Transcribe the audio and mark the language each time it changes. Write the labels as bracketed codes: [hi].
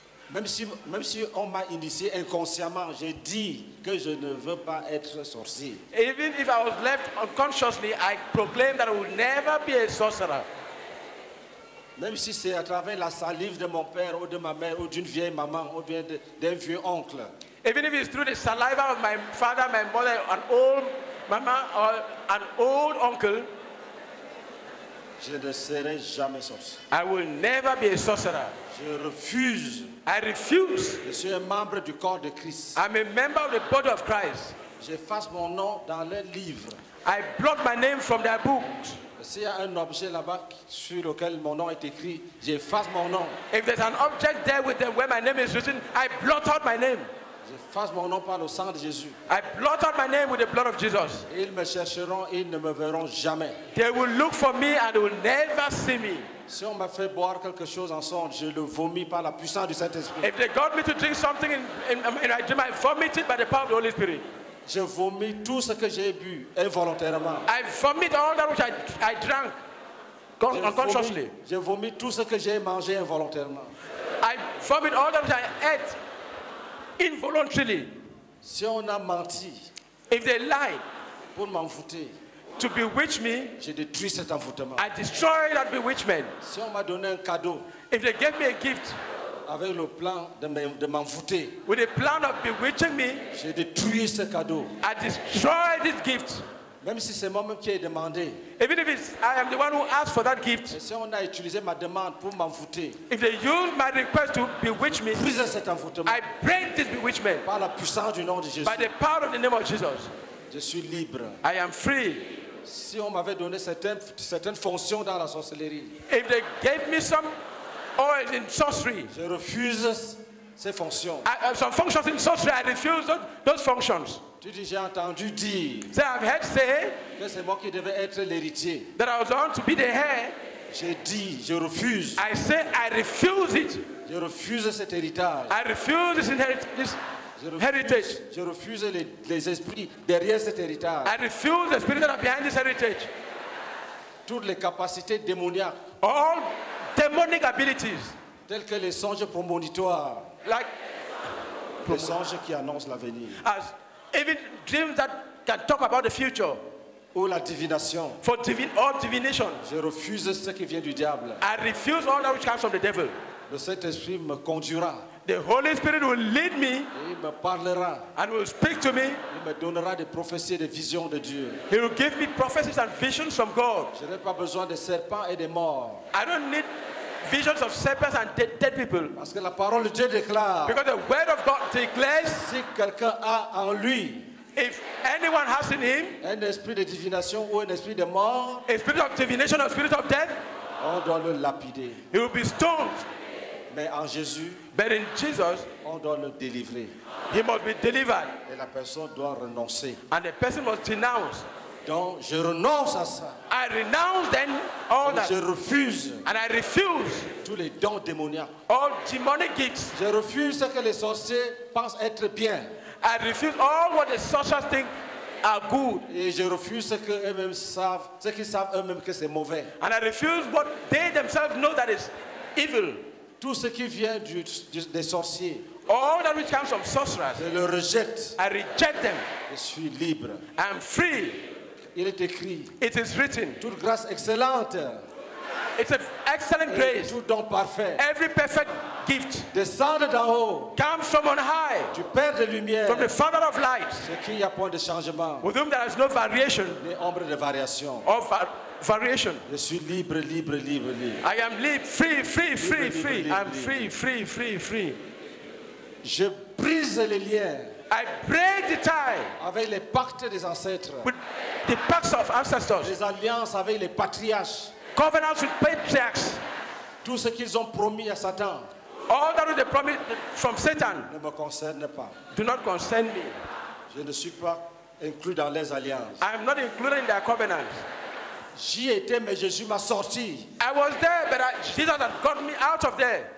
[fr] Même si on m'a initié inconsciemment, j'ai dit que je ne veux pas être sorcier. [en] Even if I was left unconsciously, I proclaimed that I will never be a sorcerer. [fr] Même si c'est à travers la salive de mon père ou de ma mère ou d'une vieille maman ou bien d'un vieux oncle. [en] Even if it's through the saliva of my father, my mother, an old mama or an old uncle, [fr] je ne serai jamais sorcier. [en] I will never be a sorcerer. [fr] Je refuse. [en] I refuse. [fr] Je suis un membre du corps de Christ. [en] I'm a member of the body of Christ. [fr] J'efface mon nom dans les livres. [en] I blot my name from their books. [fr] S'il y a un objet là-bas sur lequel mon nom est écrit, j'efface mon nom. [en] If there's an object there with them where my name is written, I blot out my name. [fr] fasse mon nom par le sang de Jésus. [en] I blot out my name with the blood of Jesus. [fr] Ils me chercheront, ils ne me verront jamais. [en] They will look for me and will never see me. [fr] Si on m'a fait boire quelque chose en sang, je le vomis par la puissance du Saint-Esprit. [en] If they got me to drink something in dream, I vomit it by the power of the Holy Spirit. [fr] Je vomis tout ce que j'ai bu involontairement. [en] I vomit all that which I drank unconsciously. [fr] Je vomis tout ce que j'ai mangé involontairement. [en] I vomit all that which I ate involuntarily. [fr] Si on a menti, [en] if they lied, [fr] pour m'envoûter, [en] to bewitch me, [fr] je détruis cet envoûtement. [en] I destroy that bewitchment. [fr] Si on m'a donné un cadeau, [en] if they gave me a gift, [fr] avec le plan de m'envoûter, [en] with a plan of bewitching me, [fr] je détruis ce cadeau. [en] I destroy this gift. [fr] Même si c'est moi-même qui ai demandé. [en] Even if it's, I am the one who asked for that gift. [fr] Et si on a utilisé ma demande pour m'envoûter, [en] if they use my request to bewitch me, [fr] brise cet envoûtement. [en] I break this bewitchment. [fr] Par la puissance du nom de Jésus. [en] By the power of the name of Jesus. [fr] Je suis libre. [en] I am free. [fr] Si on m'avait donné certaines fonctions dans la sorcellerie, [en] if they gave me some oil in sorcery, [fr] je refuse ces fonctions. [en] Some functions in sorcery, I refuse those functions. [fr] Tu dis, j'ai entendu dire, [en] so I've heard say, [fr] que c'est moi qui devais être l'héritier, [en] that I was going to be the heir. [fr] J'ai dit, je refuse. [en] I say, I refuse it. [fr] Je refuse cet héritage. [en] I refuse this inheritance. Heritage. [fr] Je refuse les esprits derrière cet héritage. [en] I refuse the spirits that are behind this heritage. [fr] Toutes les capacités démoniaques. [en] All demonic abilities. [fr] Telles que les songes prémonitoires. [en] Like [fr] les songes qui annoncent l'avenir. [en] As even dreams that can talk about the future. [fr] Ou la divination. [en] For divination. [fr] Je refuse ce qui vient du diable. [en] I refuse all that which comes from the devil. [fr] Le Saint-Esprit me conduira. [en] The Holy Spirit will lead me. [fr] Il me parlera. [en] And will speak to me. [fr] Il me donnera des prophéties et des visions de Dieu. [en] He will give me prophecies and visions from God. [fr] Je n'ai pas besoin de serpents et de morts. [en] I don't need visions of serpents and dead people. [fr] Parce que la parole de Dieu déclare. [en] Because the word of God declares. [fr] Si quelqu'un a en lui. [en] If anyone has in him. [fr] Un esprit de divination ou un esprit de mort. [en] A spirit of divination or a spirit of death. [fr] On doit le lapider. [en] He will be stoned. [fr] Mais en Jésus. [en] But in Jesus, [fr] on doit le délivrer. [en] He must be delivered. [fr] Et la personne doit renoncer. [en] And the person must denounce. [fr] Donc, je renonce à ça. [en] I renounce then all [fr] et [en] that. [fr] Je refuse. [en] And I refuse. [fr] Tous les dons démoniaques. [en] All demonic gifts. [fr] Je refuse ce que les sorciers pensent être bien. [en] I refuse all what the sorcerers think are good. [fr] Et je refuse ce que eux-mêmes savent, ce qu'ils savent eux-mêmes que c'est mauvais. [en] And I refuse what they themselves know that is evil. [fr] Tout ce qui vient des sorciers. [en] All that which comes from sorcerers. [fr] Je le rejette. [en] I reject them. [fr] Je suis libre. [en] I am free. [fr] Il est écrit. [en] It is written. [fr] Toute grâce excellente. [en] It's an excellent [fr] et [en] grace. [fr] Tout don parfait. [en] Every perfect gift. [fr] Descend d'en haut. [en] Comes from on high. [fr] Du Père de lumière. [en] From the Father of light. [fr] Ce qui n'y a point de changement. [en] With whom there is no variation. [fr] Ni ombre de variation. [en] Of variation. [fr] Je suis libre, libre, libre, libre. [en] I am free, free, free, [fr] libre, [en] free, free. [fr] Libre, libre, [en] I'm free, [fr] libre. [en] Free, free, free. [fr] Je brise les liens. [en] I break the tie. [fr] Avec les pactes des ancêtres. [en] With the pacts of ancestors. [fr] Les alliances avec les patriarches. [en] Covenants with patriarchs. [fr] Tout ce qu'ils ont promis à Satan. [en] All that they promised from Satan. [fr] Ne me concerne pas. [en] Do not concern me. [fr] Je ne suis pas inclus dans les alliances. [en] I am not included in their covenants. [fr] J'y étais, mais Jésus m'a sorti. [en] I was there, but Jesus had got me out of there.